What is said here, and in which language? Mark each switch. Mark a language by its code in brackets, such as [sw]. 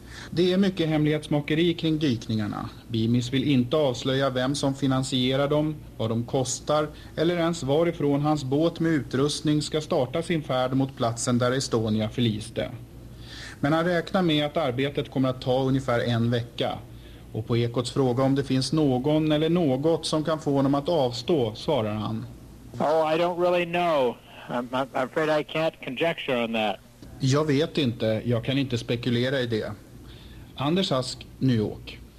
[sv] Det är mycket hemlighetsmakeri kring dykningarna. Beamis vill inte avslöja vem som finansierar dem, vad de kostar eller ens varifrån hans båt med utrustning ska starta sin färd mot platsen där Estonia förliste. Men han räknar med att arbetet kommer att ta ungefär en vecka. Och på Ekots fråga om det finns någon eller något som kan få honom att avstå, svarar han. [en] Oh, I don't really know. I'm afraid I can't conjecture on that. [sv] Jag vet inte. Jag kan inte spekulera i det. Anders Ask, New York.